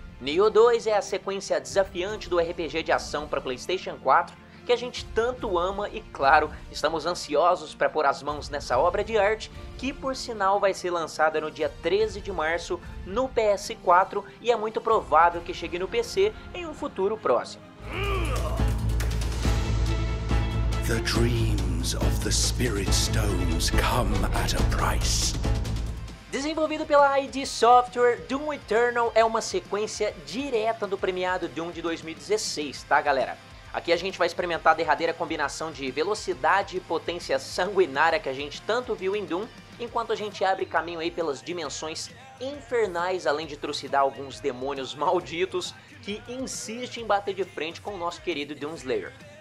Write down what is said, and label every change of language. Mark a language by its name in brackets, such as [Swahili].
[Portuguese] Nioh 2 é a sequência desafiante do RPG de ação para PlayStation 4, que a gente tanto ama e, claro, estamos ansiosos para pôr as mãos nessa obra de arte, que por sinal vai ser lançada no dia 13 de março no PS4 e é muito provável que chegue no PC em um futuro próximo. [English] The dreams of the Spirit Stones come at a price. [Portuguese] Desenvolvido pela ID Software, Doom Eternal é uma sequência direta do premiado Doom de 2016, tá galera? Aqui a gente vai experimentar a derradeira combinação de velocidade e potência sanguinária que a gente tanto viu em Doom, enquanto a gente abre caminho aí pelas dimensões infernais, além de trucidar alguns demônios malditos que insistem em bater de frente com o nosso querido Doom Slayer.